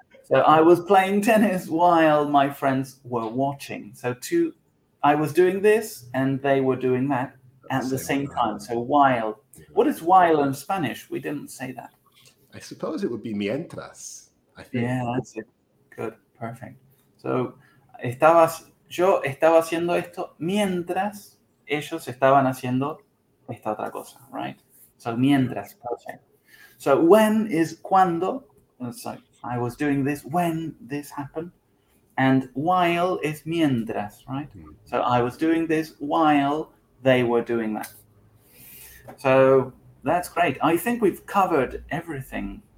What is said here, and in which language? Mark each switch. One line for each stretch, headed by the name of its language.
English: So I was playing tennis while my friends were watching. So I was doing this and they were doing that at the same time. So while. What is while in Spanish? We didn't say that. I suppose it would be mientras, I think. Yeah, that's it. Good. Perfect.
Spanish: So yo estaba haciendo esto mientras ellos estaban haciendo esta otra cosa, right?
English: So mientras, perfect. So when is cuando. So I was doing this when this happened. And while is mientras, right? Mm-hmm. So I was doing this while they were doing that. So that's great. I think we've covered everything.